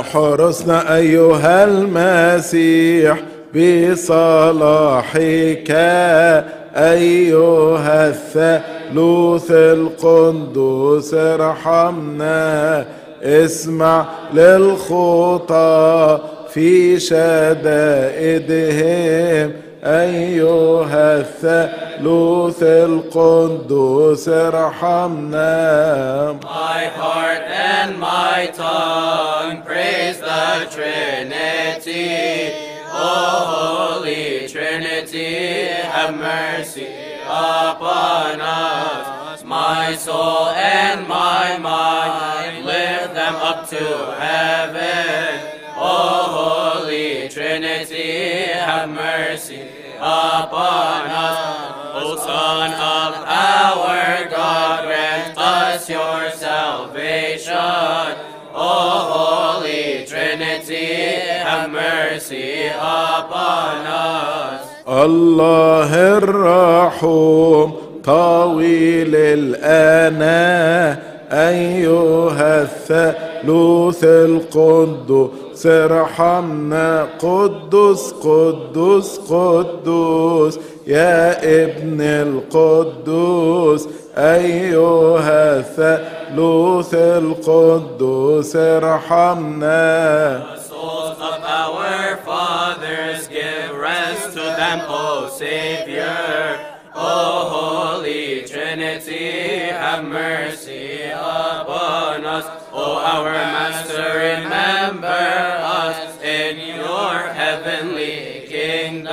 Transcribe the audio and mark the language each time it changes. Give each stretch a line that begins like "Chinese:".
Arabic: احرسنا أيها المسيح بصلاحك أيها الثالوث القدوس ارحمنا. اسمع للخطى في شدائدهم أيها الثالوث القدوس ارحمنا.
English: My heart and my tongue praise the Trinity. O Holy Trinity, have mercy upon us. My soul and my mind, lift them up to heaven. O Holy Trinity, have mercy upon us. O Son of our God, grant us your salvation. O Holy Trinity, have mercy. mercy upon us.
Arabic: Allah ar-Rahum, طويل الآن أيها الثالوث القدوس ارحمنا قدوس قدوس قدوس يا ابن القدوس أيها الثالوث القدوس ارحمنا.
English: Souls of our fathers, give rest to them, O Savior. O Holy Trinity, have mercy upon us. O our Master, remember us in your heavenly kingdom.